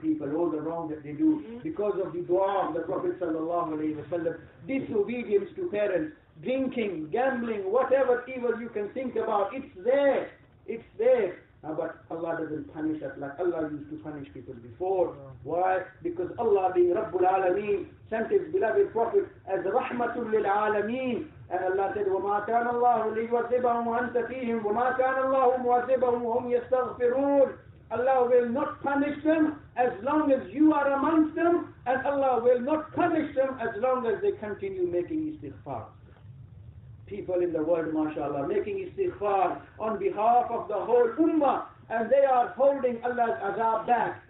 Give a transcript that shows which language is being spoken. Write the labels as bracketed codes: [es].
[en] People, all the wrong that they do, because of the dua of the Prophet sallallahu alayhi wa sallam, disobedience to parents, drinking, gambling, whatever evil you can think about, it's there. It's there. But Allah doesn't punish us like Allah used to punish people before. Yeah. Why? Because Allah, being Rabbul Alameen, sent His beloved Prophet as Rahmatul Lil Alameen. And Allah said, [ar] وَمَا كَانَ اللَّهُ لِيُعَذِّبَهُمْ وَأَنْتَ فِيهِمْ وَمَا كَانَ اللَّهُ مُعَذِّبَهُمْ وَهُمْ يَسْتَغْفِرُونَ. [en] Allah will not punish them as long as you are amongst them, and Allah will not punish them as long as they continue making istighfar. People in the world, mashallah, making istighfar on behalf of the whole ummah, and they are holding Allah's azab back.